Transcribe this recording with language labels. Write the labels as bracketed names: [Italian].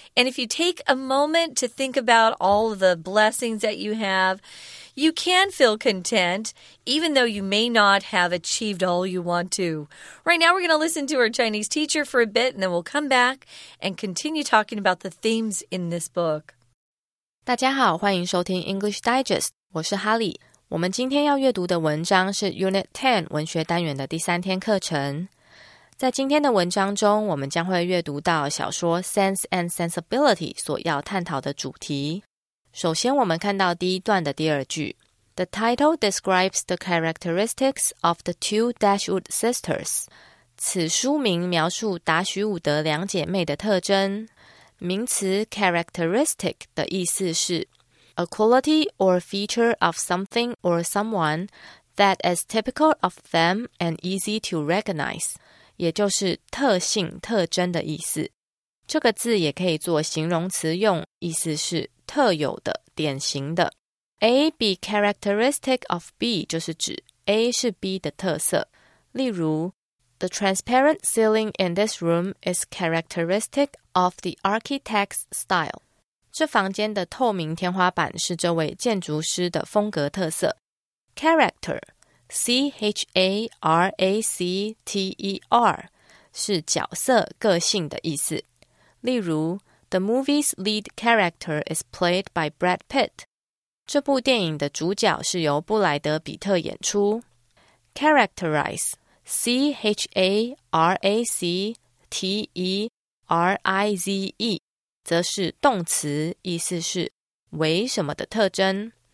[English] And if you take a moment to think about all the blessings that you have, you can feel content, even though you may not have achieved all you want to. Right now, we're going to listen to our Chinese teacher for a bit, and then we'll come back and continue talking about the themes in this book. [Chinese] 大家好，欢迎收听 English Digest， 我是哈利。我们今天要阅读的文章是 Unit 10文学单元的第三天课程。在今天的文章中，我们将会阅读到小说 Sense and Sensibility 所要探讨的主题。首先我们看到第一段的第二句 [English] The title describes the characteristics of the two Dashwood sisters. [Chinese] 此书名描述达许伍德两姐妹的特征。名词 [English] characteristic [Chinese] 的意思是 [English] A quality or feature of something or someone that is typical of them and easy to recognize. [Chinese] 也就是特性、特征的意思。这个字也可以做形容词用，意思是特有的、典型的。 [English] A be characteristic of B [Chinese] 就是指 A 是 B 的特色。例如 [English] The transparent ceiling in this room is characteristic of the architect's style. [Chinese] 这房间的透明天花板是这位建筑师的风格特色。 Character C-H-A-R-A-C-T-E-R 是角色、个性的意思。例如 [English] The movie's lead character is played by Brad Pitt. [Chinese] 这部电影的主角是由布莱德·比特演出。 Characterize C-H-A-R-A-C-T-E-R-I-Z-E 则是动词，意思是为什么的特征。